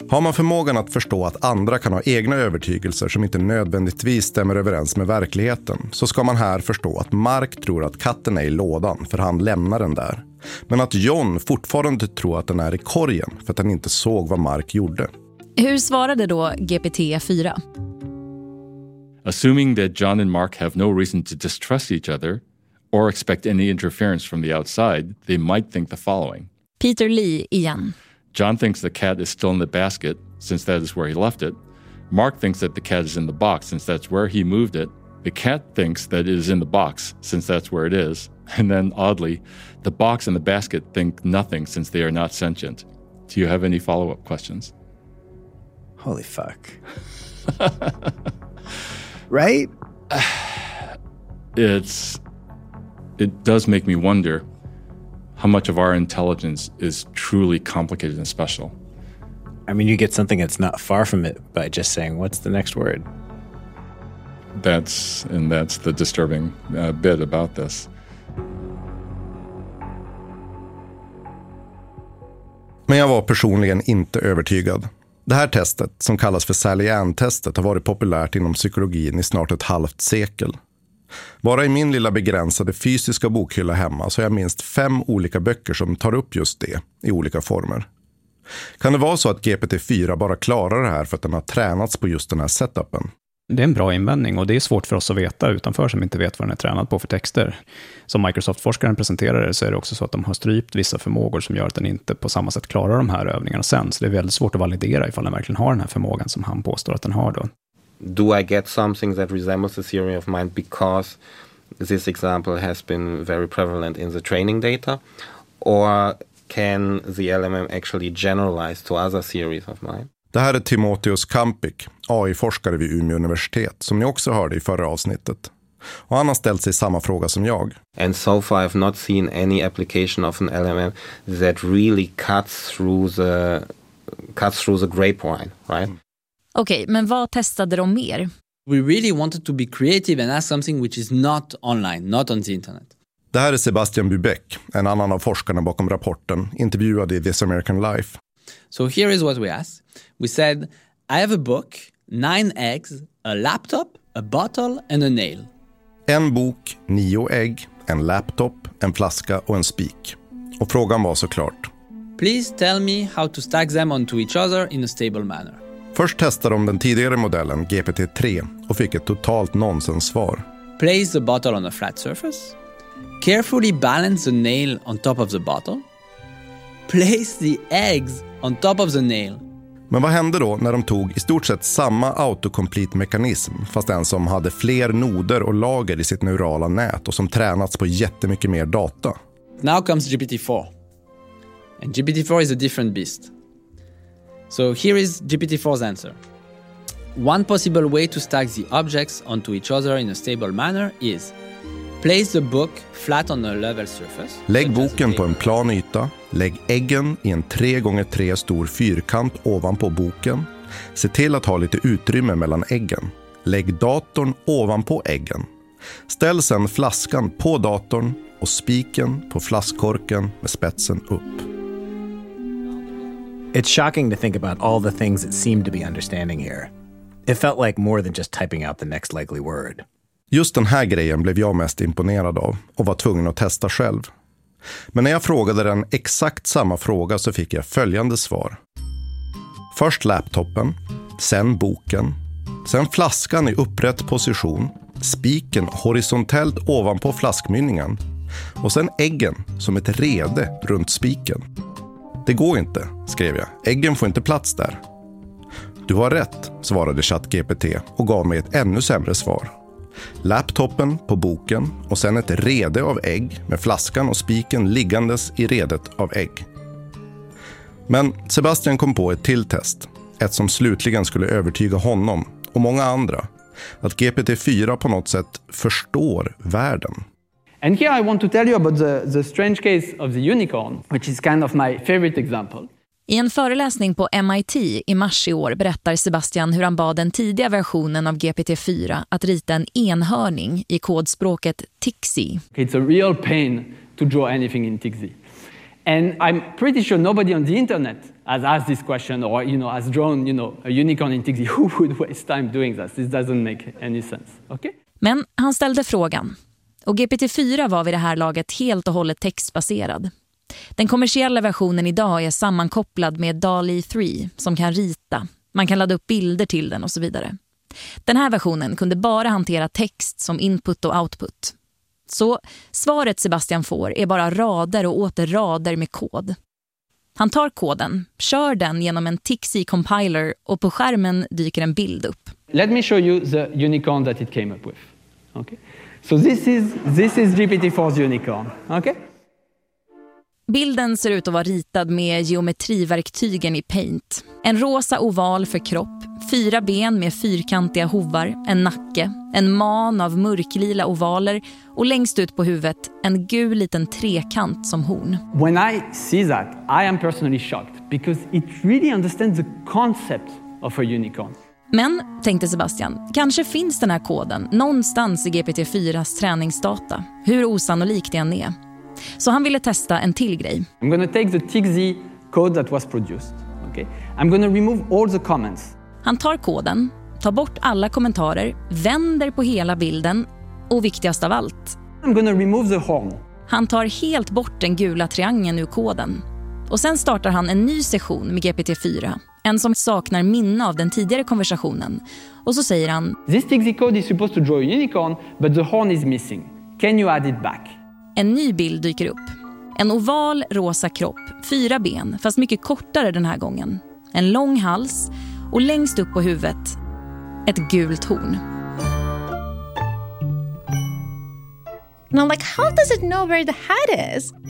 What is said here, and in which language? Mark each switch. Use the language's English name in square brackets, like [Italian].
[Swedish] Har man förmågan att förstå att andra kan ha egna övertygelser som inte nödvändigtvis stämmer överens med verkligheten, så ska man här förstå att Mark tror att katten är i lådan för han lämnar den där. Men att John fortfarande tror att den är i korgen för att han inte såg vad Mark gjorde. Hur svarade då GPT-4? [English] Assuming that John and Mark have no reason to distrust each other or expect any interference from the outside, they might think the following. [Swedish] Peter Lee igen. [English] John thinks the cat is still in the basket since that is where he left it. Mark thinks that the cat is in the box since that's where he moved it. The cat thinks that it is in the box since that's where it is. And then oddly, the box and the basket think nothing since they are not sentient. Do you have any follow-up questions? Holy fuck. Right? It does make me wonder how much of our intelligence is truly complicated and special. I mean, you get something that's not far from it by just saying, what's the next word? That's the disturbing bit about this. [Swedish] Men jag var personligen inte övertygad. Det här testet, som kallas för Sally Ann-testet, har varit populärt inom psykologin i snart ett halvt sekel. Bara i min lilla begränsade fysiska bokhylla hemma så har jag minst 5 olika böcker som tar upp just det i olika former. Kan det vara så att GPT-4 bara klarar det här för att den har tränats på just den här setupen? Det är en bra invändning och det är svårt för oss att veta utanför som inte vet vad den är tränad på för texter. Som Microsoft-forskaren presenterade så är det också så att de har strypt vissa förmågor som gör att den inte på samma sätt klarar de här övningarna sen. Så det är väldigt svårt att validera ifall den verkligen har den här förmågan som han påstår att den har då. [English] Do I get something that resembles the theory of mind because this example has been very prevalent in the training data? Or can the LMM actually generalize to other theories of mind? [Swedish] Det här är Timotheus Kampik, AI-forskare vid Umeå universitet, som ni också hörde i förra avsnittet. Och han har ställt sig samma fråga som jag. [English] And so far I've not seen any application of an LMM that really cuts through the grapevine, right? [Swedish] Okej, men vad testade de mer? [English] We really wanted to be creative and ask something which is not online, not on the internet. [Swedish] Det här är Sebastian Bubeck, en annan av forskarna bakom rapporten, intervjuad i This American Life. [English] So here is what we asked. We said, I have a book, 9 eggs, a laptop, a bottle and a nail. [Swedish] En bok, 9 ägg, en laptop, en flaska och en spik. Och frågan var såklart. [English] Please tell me how to stack them onto each other in a stable manner. [Swedish] Först testade de den tidigare modellen, GPT-3, och fick ett totalt nonsens svar. [English] Place the bottle on a flat surface. Carefully balance the nail on top of the bottle. Place the eggs on top of the nail. [Swedish] Men vad hände då när de tog i stort sett samma autocomplete-mekanism fast den som hade fler noder och lager i sitt neurala nät och som tränats på jättemycket mer data? [English] Now comes GPT-4. And GPT-4 is a different beast. So here is GPT-4's answer. One possible way to stack the objects onto each other in a stable manner is place the book flat on a level surface. [Swedish] Lägg boken på en plan yta. Lägg äggen i en 3x3 stor fyrkant ovanpå boken. Se till att ha lite utrymme mellan äggen. Lägg datorn ovanpå äggen. Ställ sedan flaskan på datorn och spiken på flaskkorken med spetsen upp. [English] It's shocking to think about all the things it seemed to be understanding here. It felt like more than just typing out the next likely word. [Swedish] Just den här grejen blev jag mest imponerad av och var tvungen att testa själv. Men när jag frågade den exakt samma fråga så fick jag följande svar. Först laptopen, sen boken, sen flaskan i upprätt position, spiken horisontellt ovanpå flaskmynningen och sen äggen som ett rede runt spiken. Det går inte, skrev jag. Äggen får inte plats där. Du har rätt, svarade ChatGPT och gav mig ett ännu sämre svar. Laptoppen på boken och sen ett rede av ägg med flaskan och spiken liggandes i redet av ägg. Men Sebastian kom på ett till test, ett som slutligen skulle övertyga honom och många andra att GPT-4 på något sätt förstår världen. [English] And here I want to tell you about the strange case of the unicorn, which is kind of my favorite example. [Swedish] I en föreläsning på MIT i mars i år berättar Sebastian hur han bad den tidiga versionen av GPT-4 att rita en enhörning i kodspråket TXI. [English] It's a real pain to draw anything in TXI. And I'm pretty sure nobody on the internet has asked this question or, you know, has drawn, you know, a unicorn in TXI. Who would waste time doing this? This doesn't make any sense. Okay? [Swedish] Men han ställde frågan. Och GPT-4 var vid det här laget helt och hållet textbaserad. Den kommersiella versionen idag är sammankopplad med DALL-E 3 som kan rita. Man kan ladda upp bilder till den och så vidare. Den här versionen kunde bara hantera text som input och output. Så svaret Sebastian får är bara rader och åter rader med kod. Han tar koden, kör den genom en TXI compiler och på skärmen dyker en bild upp. [English] Let me show you the unicorn that it came up with. Okay. So this is GPT-4's unicorn. Okay? [Swedish] Bilden ser ut att vara ritad med geometriverktygen i Paint. En rosa oval för kropp, 4 ben med fyrkantiga hovar, en nacke, en man av mörklila ovaler och längst ut på huvudet en gul liten trekant som horn. [English] When I see that, I am personally shocked because it really understands the concept of a unicorn. [Swedish] Men, tänkte Sebastian, kanske finns den här koden någonstans i GPT-4s träningsdata, hur osannolikt den är. Så han ville testa en till grej. [English] I'm going to take the TXI code that was produced. Okay. I'm going to remove all the comments. [Swedish] Han tar koden, tar bort alla kommentarer, vänder på hela bilden Och viktigast av allt, [English] I'm gonna remove the horn. [Swedish] Han tar helt bort den gula triangeln ur koden. Och sen startar han en ny session med GPT-4. En som saknar minne av den tidigare konversationen. Och så säger han: [English] This exe code is supposed to draw a unicorn, but the horn is missing. Can you add it back? [Swedish] En ny bild dyker upp. En oval, rosa kropp, fyra ben, fast mycket kortare den här gången. En lång hals och längst upp på huvudet ett gult horn. [English] And I'm like, how does it know where the hat is?